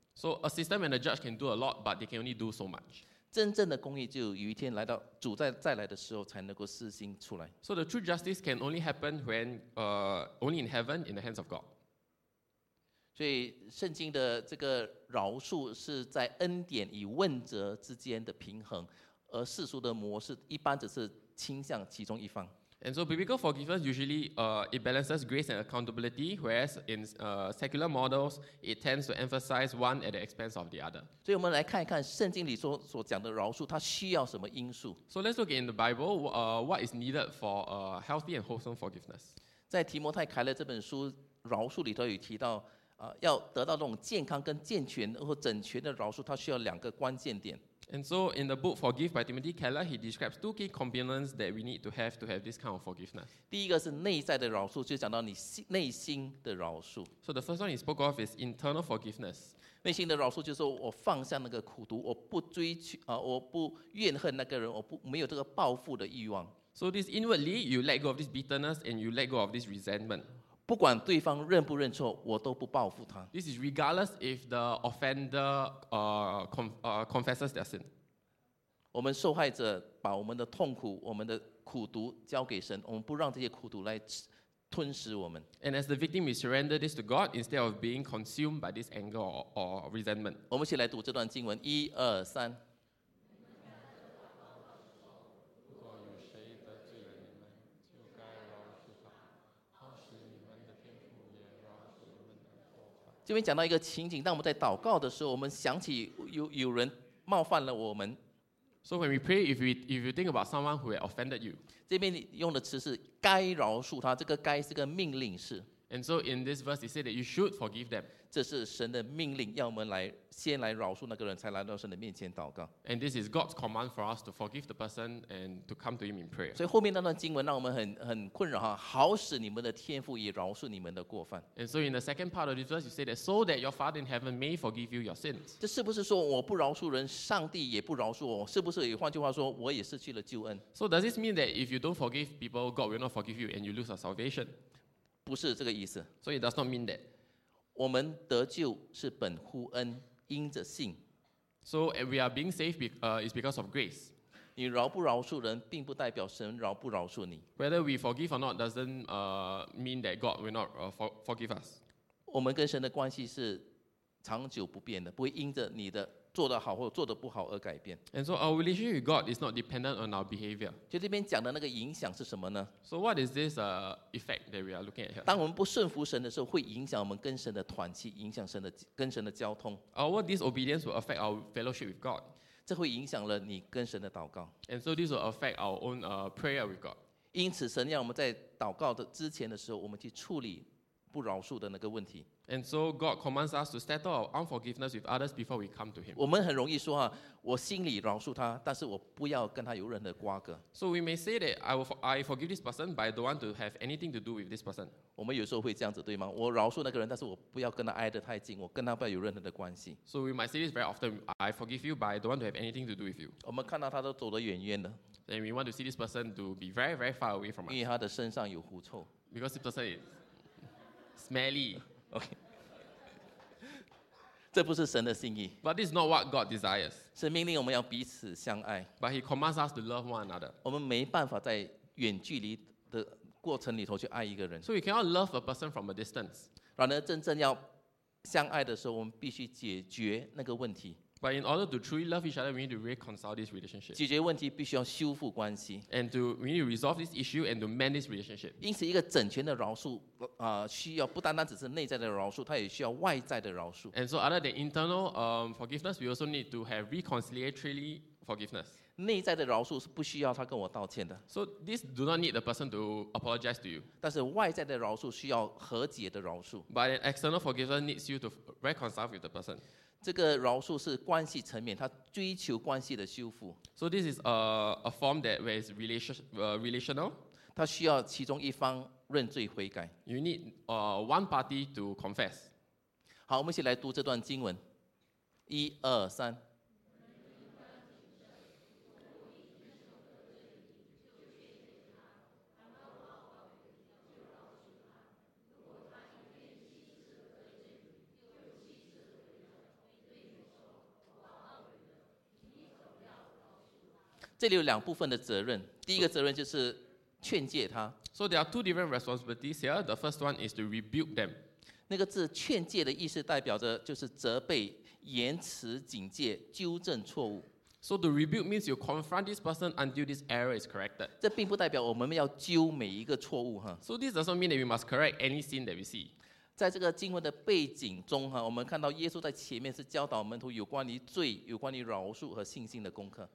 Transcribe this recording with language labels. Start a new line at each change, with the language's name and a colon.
English: So a system and a judge can do a lot, but they can only do so much.
Chinese: 真正的公义就有一天来到主再来的时候才能够施行出来。
English: So the true justice can only happen when, only in heaven, in the hands of God.
Chinese: 所以圣经的这个饶恕是在恩典与问责之间的平衡，而世俗的模式一般只是倾向其中一方。
English: And so biblical forgiveness usually, it balances grace and accountability, whereas in, secular models, it tends to emphasize one at the expense of the other.
Chinese: 所以我们来看一看圣经里所讲的饶恕，它需要什么因素。
English: So let's look in the Bible, what is needed for a healthy and wholesome forgiveness.
Chinese: 在提摩太凯勒这本书饶恕里头有提到，要得到这种健康跟健全或整全的饶恕，它需要两个关键点。
English: And so in the book Forgive by Timothy Keller, he describes two key components that we need to have this kind of forgiveness.
Chinese: 第一个是内在的饶恕，就讲到你内心的饶恕。
English: So the first one he spoke of is internal forgiveness.
Chinese: 内心的饶恕就是我放下那个苦毒，我不追求，我不怨恨那个人，我不没有这个报复的欲望。
English: So this inwardly, you let go of this bitterness and you let go of this resentment.
Chinese: 不管对方认不认错，我都不报复他。
English: This is regardless if the offender confesses their sin.
Chinese: 我们受害者把我们的痛苦、我们的苦毒交给神，我们不让这些苦毒来吞噬我们。
English: And as the victim, we surrender this to God instead of being consumed by this anger or resentment.
Chinese: 我们一起来读这段经文，一二三。这边讲到一个情景，当我们在祷告的时候，我们想起 有人冒犯了我们。
English: So when we pray, if you think about someone who had offended you,
Chinese: 这边用的词是该饶恕他，这个该是个命令式。
English: And so in this verse, it said that you should forgive them.
Chinese: 这是神的命令，要我们来先来饶恕那个人，才来到神的面前祷告。
English: And this is God's command for us to forgive the person and to come to Him in prayer.
Chinese: 所以后面那段经文让我们很困扰哈，好使你们的天父也饶恕你们的过犯。
English: And so in the second part of this verse, you say that so that your Father in heaven may forgive you your sins.
Chinese: 这是不是说我不饶恕人，上帝也不饶恕我？是不是也换句话说，我也失去了救恩
English: ？So does this mean that if you don't forgive people, God will not forgive you and you lose your salvation?
Chinese: 不是这个意思。
English: So it does not mean that.
Chinese: 我们得救是本乎恩。因着信
English: So we are being saved is because of grace.
Chinese: 你饶不饶恕人并不代表神饶不饶恕你
English: Whether we forgive or not doesn't mean that God will not forgive us.
Chinese: 我们跟神的关系是长久不变的，不会因着你的做得好或做得不好而改变。
English: And so our relationship with God is not dependent on our behavior.
Chinese: 就这边讲的那个影响是什么呢？
English: So what is this effect that we are looking at here?
Chinese: 当我们不顺服神的时候，会影响我们跟神的团契，影响神的跟神的交通。
English: Our disobedience will affect our fellowship with God.
Chinese: 这会影响了你跟神的祷告。
English: And so this will affect our own prayer with God.
Chinese: 因此神要我们在祷告的之前的时候，我们去处理不饶恕的那个问题。
English: And so God commands us to settle our unforgiveness with others before we come to Him.
Chinese: 我们很容易说啊，我心里饶恕他，但是我不要跟他有任何瓜葛。
English: So we may say that I forgive this person, but I don't want to have anything to do with this person.
Chinese: 我们有时候会这样子，对吗？我饶恕那个人，但是我不要跟他挨得太近，我跟他不要有任何的关系。
English: So we might say this very often. I forgive you, but I don't want to have anything to do with you.
Chinese: 我们看到他都走得远远的。
English: And we want to see this person to be very, very far away from us.
Chinese: 因为他的身上有狐臭。
English: Because this person is smelly. Okay.
Chinese: 这不是神的心意。
English: But this is not what God desires.
Chinese: 神命令我们要彼此相爱。
English: But He commands us to love one another.
Chinese: 我们没办法在远距离的过程里头去爱一个人。
English: So we cannot love a person from a distance.
Chinese: 然而真正要相爱的时候，我们必须解决那个问题。
English: But in order to truly love each other, we need to reconcile this relationship.
Chinese: 解决问题必须要修复关系。
English: And to we need to resolve this issue and to mend this relationship.
Chinese: 因此，一个整全的饶恕，需要不单单只是内在的饶恕，它也需要外在的饶恕。
English: And so, other than internal forgiveness, we also need to have reconciliatory forgiveness.
Chinese: 内在的饶恕是不需要他跟我道歉的。
English: So this do not need the person to apologize to you.
Chinese: 但是外在的饶恕需要和解的饶恕。
English: But an external forgiveness needs you to reconcile with the person.
Chinese: 这个饶恕是关系层面，他追求关系的修复。
English: So this is a form that is relational.
Chinese: 他需要其中一方认罪悔改。
English: You need one party to confess.
Chinese: 好，我们一起来读这段经文。一二三。这里有两部分的责任，第一个责任就是劝诫他。
English: So there are two different responsibilities here. The first one is to rebuke them.
Chinese: 那个字劝诫的意思代表着就是责备、延迟警戒、纠正错误。
English: So to rebuke means you confront this person until this error is corrected.
Chinese: 这并不代表我们要纠每一个错误。
English: So this doesn't mean that we must correct any sin that we see.
Chinese: 在这个经文的背景中，我们看到耶稣在前面是教导门徒有关于罪、有关于饶恕和信心的功课。